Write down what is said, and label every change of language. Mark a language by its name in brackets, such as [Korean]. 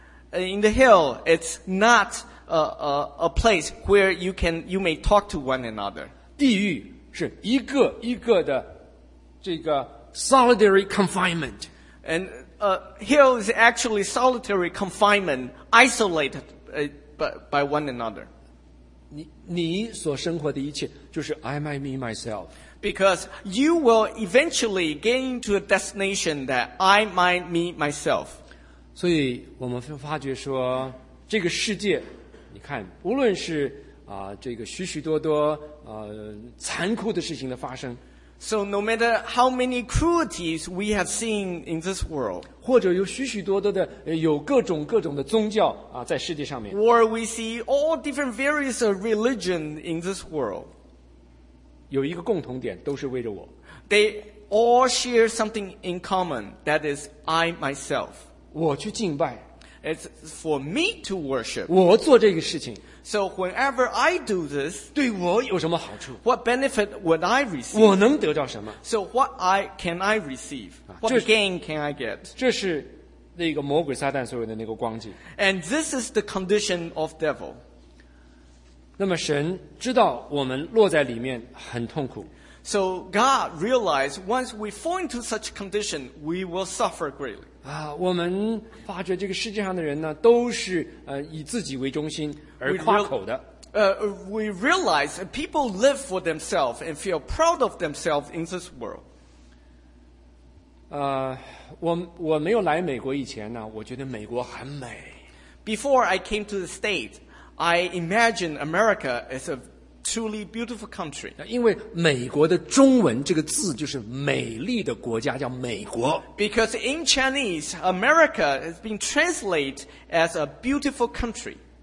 [English] In the hill, it's not a place where you may talk to one another. [Chinese] 地狱是一个一个的这个 [English] solitary confinement. And hill is actually solitary confinement, isolated by one another. [Chinese] 你所生活的一切就是 [English] I, my, me, myself. Because you will eventually get into a destination that I, my, me, myself. [Chinese] 所以我们会发觉说，这个世界，你看，无论是这个许许多多残酷的事情的发生 [English] ，So no matter how many cruelties we have seen in this world， [Chinese] 或者有许许多多的有各种各种的宗教在世界上面 [English] ，Or we see all different various religion in this world， [Chinese] 有一个共同点，都是为着我。 [English] They all share something in common that is I myself。 [Chinese] 我去敬拜 [English] ，It's for me to worship. [Chinese] 我做这个事情 [English] ，So whenever I do this, [Chinese] 对我有什么好处 [English] ？What benefit would I receive? [Chinese] 我能得到什么 [English] ？So what I can I receive? What gain can I get? [Chinese] 这是那个魔鬼撒旦所有的那个光景。 [English] And this is the condition of devil. [Chinese] 那么神知道我们落在里面很痛苦。 [English] So God realized once we fall into such condition, we will suffer greatly. [Chinese] 我们发觉这个世界上的人呢，都是以自己为中心而夸口的。 [English] We realize people live for themselves and feel proud of themselves in this world. [Chinese] 我没有来美国以前呢，我觉得美国很美。 [English] Before I came to the States, I imagined America as a truly beautiful country. [Chinese] 因为美国的中文这个字就是美丽的国家，叫美国。 [English] Because in Chinese, America has been translated as a beautiful country.